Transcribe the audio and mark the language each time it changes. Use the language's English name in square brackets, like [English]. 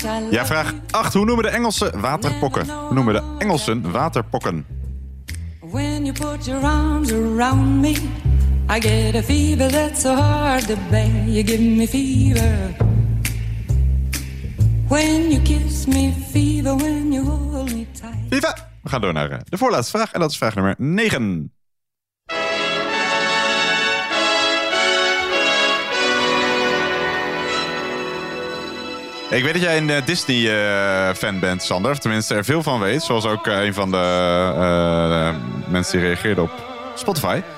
[Dutch] Ja, vraag 8. Hoe noemen de Engelsen waterpokken? Hoe noemen de Engelsen waterpokken? [English] When you put your arms around me, I get a fever that's so hard to bear. You give me fever. When you kiss me, fever, when you hold me tight. Fever! [Dutch] We gaan door naar de voorlaatste vraag en dat is vraag nummer 9. Ik weet dat jij een Disney-fan bent, Sander. Of tenminste er veel van weet. Zoals ook een van de mensen die reageerde op Spotify.